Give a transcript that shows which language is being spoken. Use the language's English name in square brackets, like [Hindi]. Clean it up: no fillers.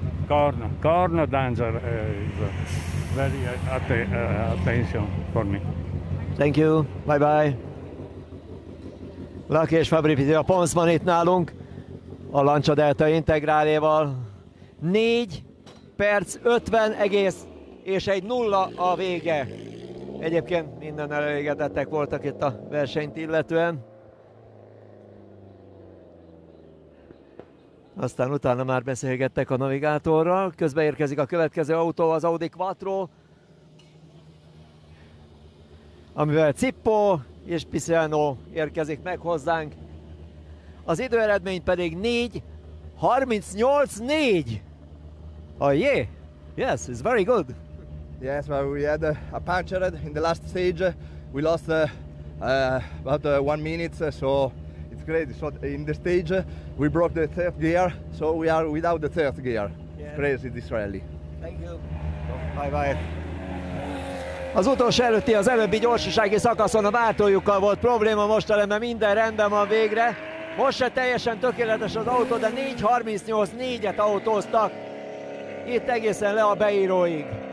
[English] corno, corno danger is very attention for me. Thank you, bye bye. [Hungarian] Laki és Fabri Piti, a Ponsz van itt nálunk, a Lancia Delta integráléval. 4:50.0 a vége. Egyébként minden elégedettek voltak itt a versenyt illetően. Aztán utána már beszélgettek a navigátorral. Közben érkezik a következő autó, az Audi Quattro, amivel Cippo és Pisano érkezik meg hozzánk. Az időeredmény pedig 4:38.4. [English] Oh yeah, yes, it's very good. Yes, well, we had a puncture in the last stage. We lost about 1 minute, so it's great. So in the stage, we broke the third gear, so we are without the third gear. Yeah. It's crazy, this rally. Thank you. Bye-bye. [Hungarian] Az utolsó előtti, az előbbi gyorsasági szakaszon a váltójukkal volt probléma, mostanában minden rendben van végre. Most se teljesen tökéletes az autó, de 4:38.4-et autóztak. Itt egészen le a beíróig.